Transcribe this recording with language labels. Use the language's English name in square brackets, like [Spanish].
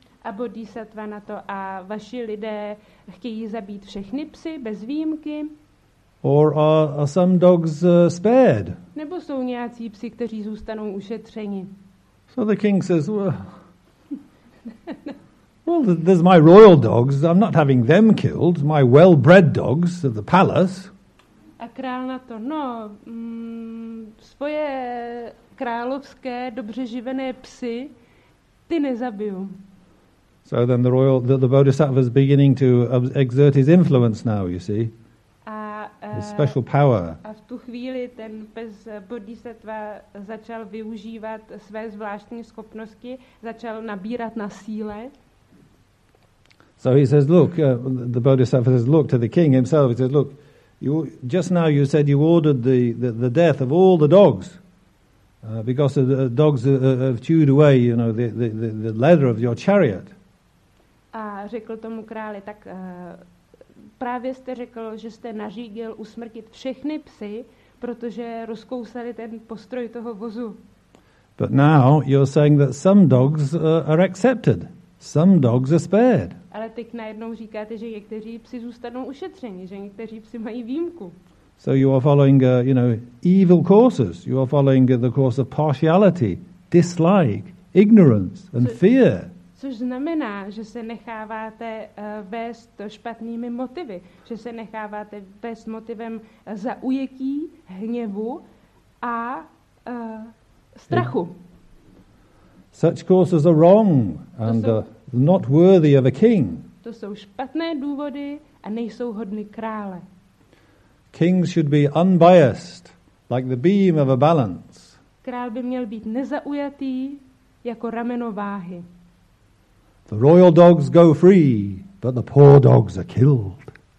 [Czech] A Bodhisattva na to, a vaši lidé chtějí zabít všechny psy bez výjimky? [English] Or are some dogs spared? [Czech] Nebo jsou nějací psi, kteří zůstanou ušetřeni? [English] So the king says, "Well, there's my royal dogs. I'm not having them killed. My well-bred dogs at the palace." [Czech] A král na to, no, svoje královské dobře živené psy ty nezabiju. [English] So then the Bodhisattva is beginning to exert his influence now, you see. His special power. [Czech] A v tu chvíli ten pes Bodhisattva začal využívat své zvláštní schopnosti, začal nabírat na síle. [English] So he says, "Look," the Bodhisattva says, "Look," to the king himself. He says, "Look, you just now you said you ordered the death of all the dogs because the dogs have chewed away, you know, the leather of your chariot." [Czech] A řekl tomu králi, tak právě jste řekl, že jste nařídil usmrtit všechny psy, protože rozkousali ten postroj toho vozu. [English] But now you're saying that some dogs are accepted. Some dogs are spared. [Czech] Ale teď najednou říkáte, že někteří psi zůstanou ušetřeni, že někteří psi mají výjimku. [English] So you are following, you know, evil courses. You are following the course of partiality, dislike, ignorance and fear. [Czech] Což znamená, že se necháváte vést špatnými motivy, že se necháváte vést motivem zaujetí, hněvu a strachu. [English] Such courses are wrong and not worthy of a king. [Czech] To jsou špatné důvody a nejsou hodny krále. [English] Kings should be unbiased, like the beam of a balance. [Czech] Král by měl být nezaujatý jako rameno váhy. [English] The royal dogs go free, but the poor dogs are killed.